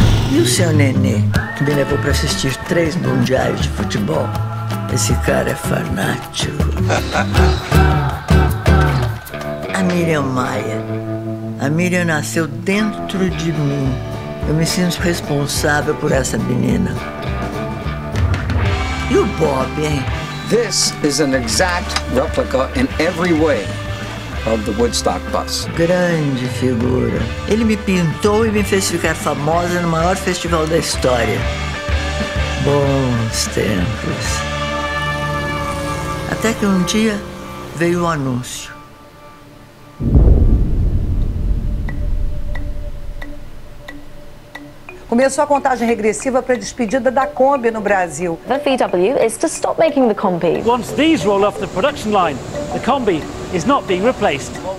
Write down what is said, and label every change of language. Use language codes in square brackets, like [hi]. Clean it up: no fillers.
[pt] E o seu Nenê? Me levou para assistir três mundiais de futebol. Esse cara é fanático. A Miriam Maia. A Miriam nasceu dentro de mim. Eu me sinto responsável por essa menina. E o Bob, hein? [en] This is an exact replica in every way of the Woodstock bus. [pt] Grande figura. Ele me pintou e me fez ficar famosa no maior festival da história. Bons tempos. Até que um dia veio o anúncio. Começou a contagem regressiva para a despedida da Kombi no Brasil. [en] The VW is to stop making the Kombi. Once these roll off the production line, the Kombi is not being replaced.